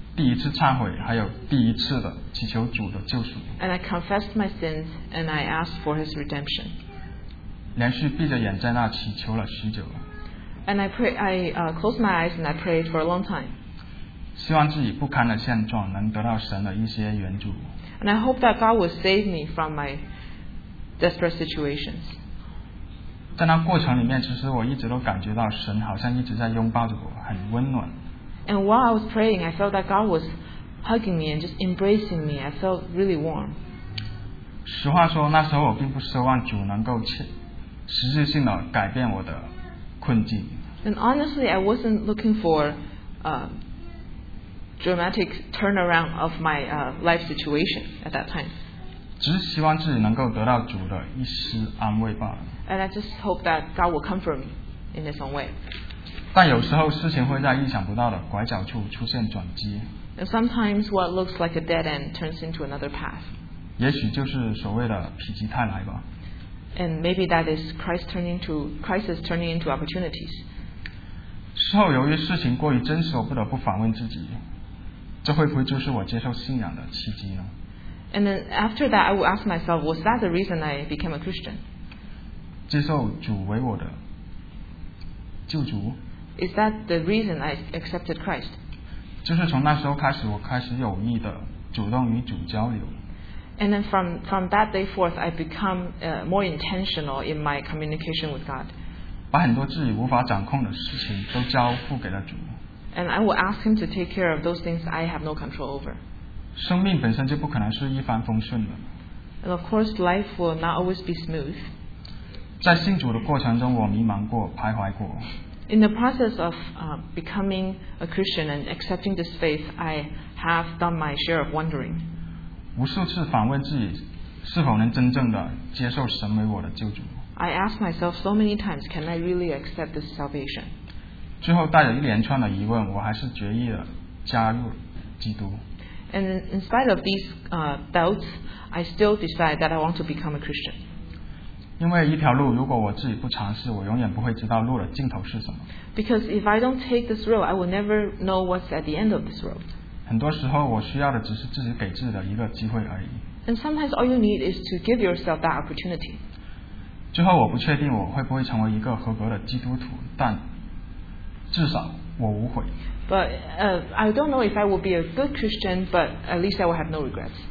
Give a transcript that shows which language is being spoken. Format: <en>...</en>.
<zh>第一次忏悔，还有第一次的祈求主的救赎。</zh> <en>And I confessed my sins and I asked for His redemption.</en> <zh>连续闭着眼在那祈求了许久。</zh> <en>And I closed my eyes and I prayed for a long time.</en> <zh>希望自己不堪的现状能得到神的一些援助。</zh> <en>And I hope that God would save me from my desperate situations.</en> <zh>在那过程里面，其实我一直都感觉到神好像一直在拥抱着我，很温暖。</zh> <en>And while I was praying, I felt that God was hugging me and just embracing me. I felt really warm.</en> <zh>实话说，那时候我并不奢望主能够实质性的改变我的。</zh> <en>And honestly, I wasn't looking for a dramatic turnaround of my life situation at that time.</en> <zh>只是希望自己能够得到主的一丝安慰罢了。</zh> <en>And I just hope that God will comfort me in His own way.</en> <zh>但有时候事情会在意想不到的拐角处出现转机。</zh> <en>And sometimes what looks like a dead end turns into another path.</en> <zh>也许就是所谓的否极泰来吧。</zh> <en>And maybe that is crisis turning into opportunities.</en> <zh>事后由于事情过于真实，我不得不反问自己，这会不会就是我接受信仰的契机呢？</zh> <en>And then after that, I will ask myself, was that the reason I became a Christian?</en> <zh>接受主为我的救主？</zh> <en>Is that the reason I accepted Christ?</en> <zh>就是从那时候开始，我开始有意的主动与主交流。</zh> <en>And then from that day forth, I become more intentional in my communication with God.</en> <zh>把很多自己无法掌控的事情都交付给了主。</zh> <en>And I will ask Him to take care of those things I have no control over.</en> <zh>生命本身就不可能是一帆风顺的。</zh> <en>And of course, life will not always be smooth.</en> <zh>在信主的过程中，我迷茫过，徘徊过。</zh> <en>In the process of becoming a Christian and accepting this faith, I have done my share of wondering.</en> <zh>无数次反问自己是否能真正的接受神为我的救主。</zh> <en>I ask myself so many times, can I really accept this salvation?</en> <zh>最后带着一连串的疑问，我还是决意的加入基督。</zh> <en>And in spite of these doubts, I still decide that I want to become a Christian.</en> <zh>因为一条路，如果我自己不尝试，我永远不会知道路的尽头是什么。</zh> <en>Because if I don't take this road, I will never know what's at the end of this road.</en> <zh>很多时候我需要的只是自己给自己的一个机会而已。</zh> <en>And sometimes all you need is to give yourself that opportunity.</en> <zh>最后我不确定我会不会成为一个合格的基督徒，但至少我无悔。</zh> <en>But I don't know if I will be a good Christian, but at least I will have no regrets.</en>